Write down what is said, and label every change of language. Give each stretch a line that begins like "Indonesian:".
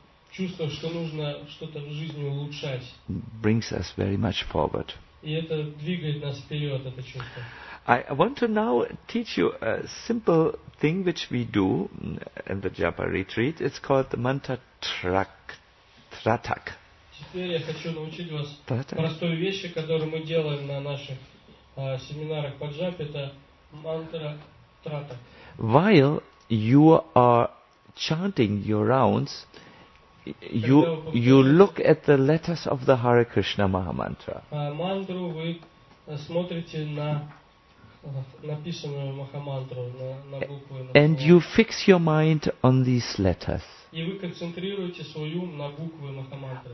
Russian: Чувство, что нужно что-то в жизни улучшать.
English: Brings us very much forward.
Russian: И это двигает нас вперед, это чувство.
English: I want to now teach you a simple thing which we do in the japa retreat. It's called the mantra tratak.
Russian: Теперь я хочу научить вас простой вещи, которую мы делаем на наших семинарах по джапе. Это мантра тратак.
English: While you are chanting your rounds, You look at the letters of the Hare Krishna Mahamantra.
Russian: Мантру вы смотрите на написанную Махамантру, на букву.
English: And you fix your mind on these letters.
Russian: И вы концентрируете свой ум на буквы Махамантры.